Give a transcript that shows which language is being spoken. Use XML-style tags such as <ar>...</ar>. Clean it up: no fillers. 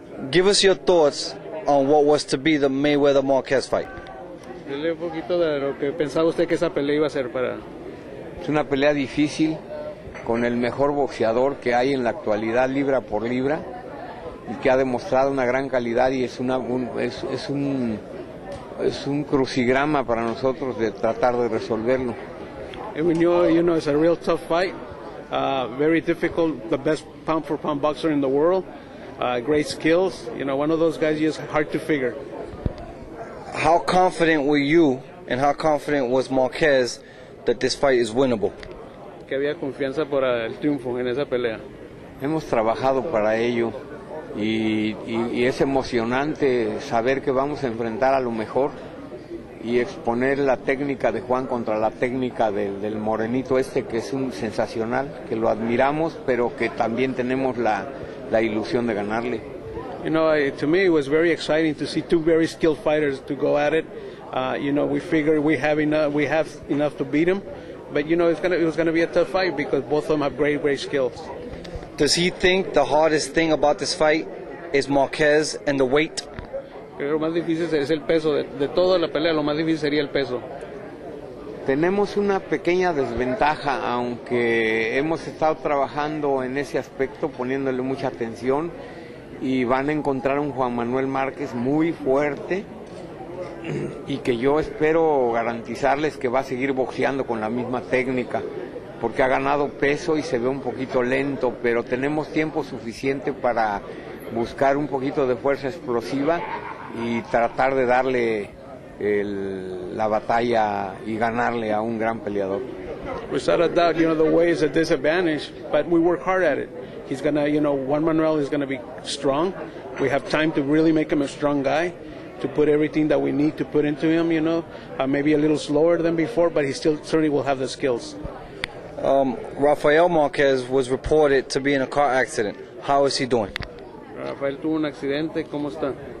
<en>Give us your thoughts on what was to be the Mayweather-Marquez fight.</en> <es>Dile un poquito de lo que pensaba usted que esa pelea iba a ser para... Es una pelea difícil con el mejor boxeador que hay en la actualidad, libra por libra, y que ha demostrado una gran calidad, y es un crucigrama para nosotros de tratar de resolverlo.</es> <en>And we know, you know, it's a real tough fight, very difficult, the best pound for pound boxer in the world, great skills, you know, one of those guys just hard to figure. How confident were you and how confident was Marquez that this fight is winnable?</en> <es>Que había confianza para el triunfo en esa pelea. Hemos trabajado para ello y es emocionante saber que vamos a enfrentar a lo mejor y exponer la técnica de Juan contra la técnica del morenito este, que es un sensacional, que lo admiramos, pero que también tenemos la ilusión de ganarle.</es> <en>You know, to me it was very exciting to see two very skilled fighters to go at it. You know, we figured we have enough to beat him, but you know, it was gonna be a tough fight because both of them have great skills. Does he think the hardest thing about this fight is Marquez and the weight?</en> <es>Lo más difícil es el peso de toda la pelea. Lo más difícil sería el peso. Tenemos una pequeña desventaja, aunque hemos estado trabajando en ese aspecto, poniéndole mucha atención. Y van a encontrar un Juan Manuel Márquez muy fuerte y que yo espero garantizarles que va a seguir boxeando con la misma técnica, porque ha ganado peso y se ve un poquito lento, pero tenemos tiempo suficiente para buscar un poquito de fuerza explosiva y tratar de darle la batalla y ganarle a un gran peleador.</es> <en>Without a doubt, you know, the way is a disadvantage, but we work hard at it. He's gonna, you know, Juan Manuel is gonna be strong. We have time to really make him a strong guy, to put everything that we need to put into him, you know. Maybe a little slower than before, but he still certainly will have the skills. Rafael Marquez was reported to be in a car accident. How is he doing?</en> <es>Rafael tuvo un accidente, ¿cómo está?</es>